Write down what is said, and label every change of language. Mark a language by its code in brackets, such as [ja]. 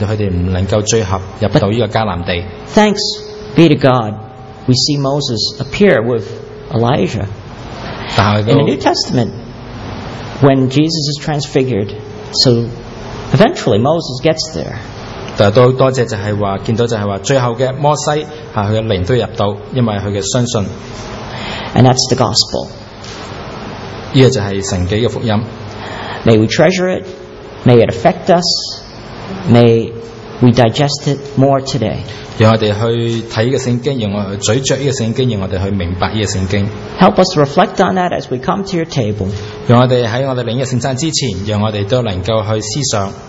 [zh] 就是当时的情况，就是说好像20岁以上的人，也都是当中里面有摩西，因为他们的小信，令到他们不能够聚合，入到这个迦南地。 [en] Thanks be to God, we see Moses appear with Elijah. In the New Testament, when Jesus is transfigured, so eventually Moses gets there. [zh] 但也很感谢，就是说，见到就是说，最后的摩西，他的灵都入到，因为他的相信。 [en] And that's the gospel. [zh] 这就是神迹的福音。 [en] May we treasure it, may it affect us, may we digest it more today. [zh] 让我们去看这个圣经，让我们去咀嚼这个圣经，让我们去明白这个圣经。 [en] Help us to reflect on that as we come to your table. [zh] 让我们在我们领这个圣餐之前，让我们都能够去思想。